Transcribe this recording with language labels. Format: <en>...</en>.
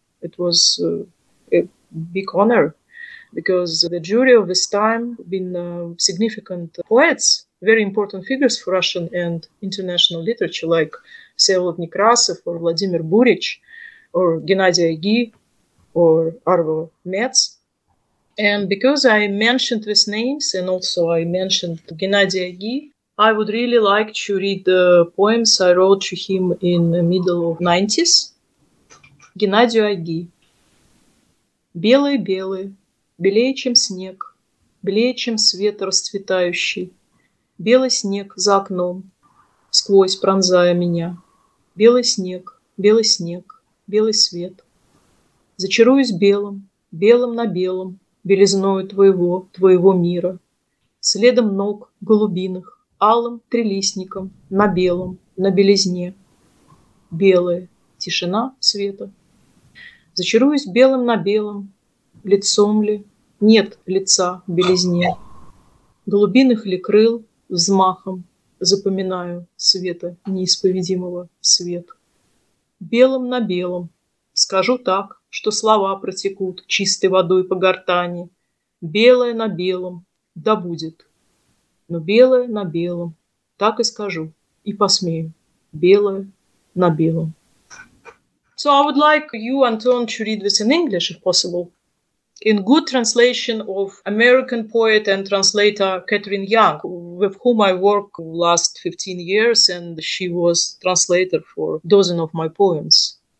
<en>It was a big honor because the jury of this time been significant poets, very important figures for Russian and international literature like Vsevolod Nekrasov or Vladimir Burich or Gennady Aigi or Arvo Metz. And because I mentioned these names and also I mentioned Gennady Aigi, I would really like to read the poems I wrote to him in the middle of 90s.</en> <ru>Геннадию Айги. Белый-белый, белее, чем снег, белее, чем свет расцветающий. Белый снег за окном, сквозь пронзая меня. Белый снег, белый свет. Зачаруюсь белым, белым на белом, белизною твоего, твоего мира. Следом ног голубиных, алым трилистником, на белом, на белизне. Белая тишина света. Зачаруюсь белым на белом, лицом ли, нет лица в белизне. Голубиных ли крыл взмахом запоминаю света неисповедимого свет. Белым на белом, скажу так, что слова протекут чистой водой по гортани. Белое на белом, да будет. Но белое на белом, так и скажу, и посмею. Белое на белом.</ru> <en>So I would like you, Anton, to read this in English, if possible, in good translation of American poet and translator Catherine Young, with whom I work last 15 years, and she was translator for dozens of my poems.</en>